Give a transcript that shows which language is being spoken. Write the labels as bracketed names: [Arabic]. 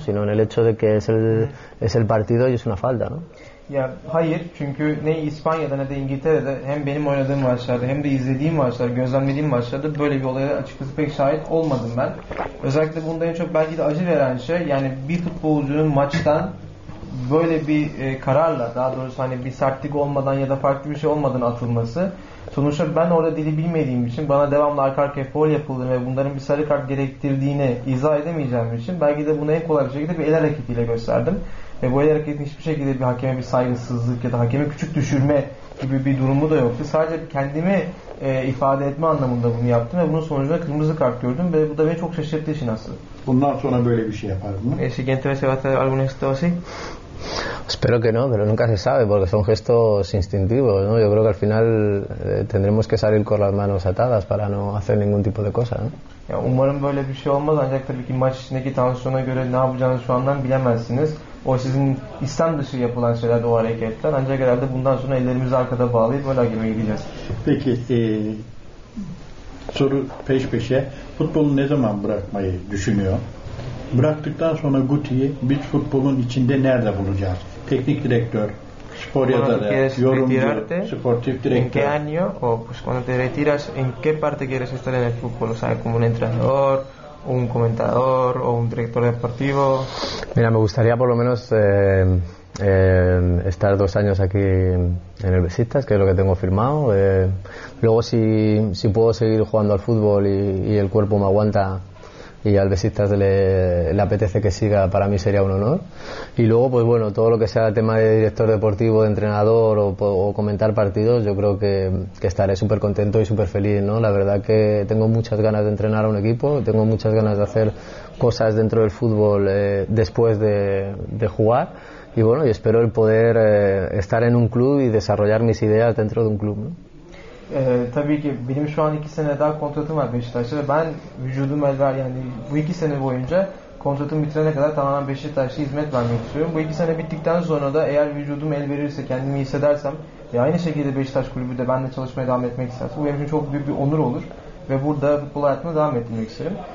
[Spanish] Sino en el hecho de que es el partido y es una falta, ¿no? [Turkish] Ya, hayır, çünkü ne İspanya'da ne de İngiltere'de hem benim oynadığım maçlarda hem de izlediğim maçlarda, gözlemlediğim maçlarda böyle bir olaya açıkçası pek şahit olmadım ben. Özellikle bunda en çok belki de acı veren şey, yani bir futbolcunun maçtan böyle bir kararla, daha doğrusu hani bir sertlik olmadan ya da farklı bir şey olmadan atılması. Sonuçta ben orada dili bilmediğim için, bana devamlı arka arkaya foul yapıldığını ve bunların bir sarı kart gerektirdiğini izah edemeyeceğim için belki de bunu en kolay bir şekilde bir el hareketiyle gösterdim. Ve bu el hareketin hiçbir şekilde bir hakeme bir saygısızlık ya da hakeme küçük düşürme gibi bir durumu da yoktu. Sadece kendimi ifade etme anlamında bunu yaptım ve bunun sonucunda kırmızı kart gördüm ve bu da beni çok şaşırttı işin aslında. Bundan sonra böyle bir şey yapar mı? [Spanish] El siguiente vez se va a hacer alguna situación. Espero que no, pero nunca se sabe porque son gestos instintivos, ¿no? Yo creo que al final tendremos que salir con las manos atadas para no hacer ningún tipo de cosa, ¿no? [Turkish] Ya, umarım böyle bir şey olmaz, ancak tabii ki maç içindeki tansiyona göre ne yapacağınızı şu andan bilemezsiniz. O sizin İslam dışı yapılan şeyler, o hareketler. Ancak herhalde bundan sonra ellerimizi arkada bağlayıp böyle hakeme gideceğiz. Peki, soru peş peşe. Futbolu ne zaman bırakmayı düşünüyor? Bıraktıktan sonra Guti'yi biz futbolun içinde nerede bulacağız? Teknik direktör, spor yazarı, yorumcu, sportif direktör. [Spanish] En qué año, o pues cuando te retiras, en qué parte quieres estar en el fútbol? O sea, como un entrenador, un comentador o un director deportivo. Mira, me gustaría por lo menos estar 2 años aquí en el Besiktas, que es lo que tengo firmado. Luego, si puedo seguir jugando al fútbol y el cuerpo me aguanta y al Besiktas le apetece que siga, para mí sería un honor. Y luego, pues bueno, todo lo que sea el tema de director deportivo, de entrenador o comentar partidos, yo creo que estaré súper contento y súper feliz, ¿no? La verdad que tengo muchas ganas de entrenar a un equipo, tengo muchas ganas de hacer cosas dentro del fútbol después de jugar. Y bueno, y espero el poder estar en un club y desarrollar mis ideas dentro de un club, ¿no? [Turkish] Tabii ki benim şu an 2 sene daha kontratım var Beşiktaş'ta ve ben vücudum elver, yani bu 2 sene boyunca kontratım bitirene kadar tamamen Beşiktaş'a hizmet vermek istiyorum. Bu 2 sene bittikten sonra da eğer vücudum el verirse, kendimi hissedersem ve aynı şekilde Beşiktaş kulübü de ben de çalışmaya devam etmek istersem, bu benim için çok büyük bir onur olur ve burada futbol hayatımı devam ettirmek isterim.